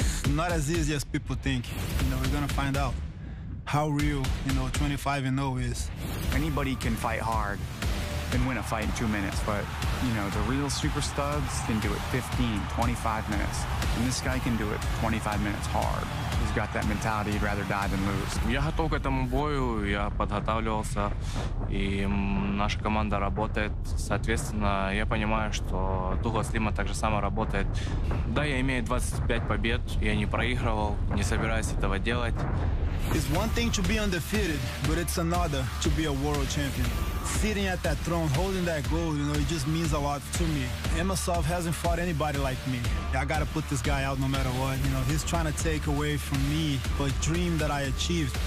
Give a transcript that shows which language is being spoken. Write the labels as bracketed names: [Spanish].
[English] Not as easy as people think. You know, we're gonna find out how real, you know, 25-0 is. Anybody can fight hard and win a fight in 2 minutes, but you know, the real super studs can do it 15, 25 minutes. And this guy can do it 25 minutes hard. He's got that mentality, he'd rather die than lose. [Russian] Я готов к этому бою, я подготавливался, и наша команда работает. Соответственно, я понимаю, что Douglas Lima так же само работает. Да, я имею 25 побед, я не проигрывал, не собираюсь этого делать. [English] It's one thing to be undefeated, but it's another to be a world champion. Sitting at that throne, holding that gold, you know, it just means a lot to me. Amosov hasn't fought anybody like me. I gotta put this guy out no matter what. You know, he's trying to take away from me a dream that I achieved.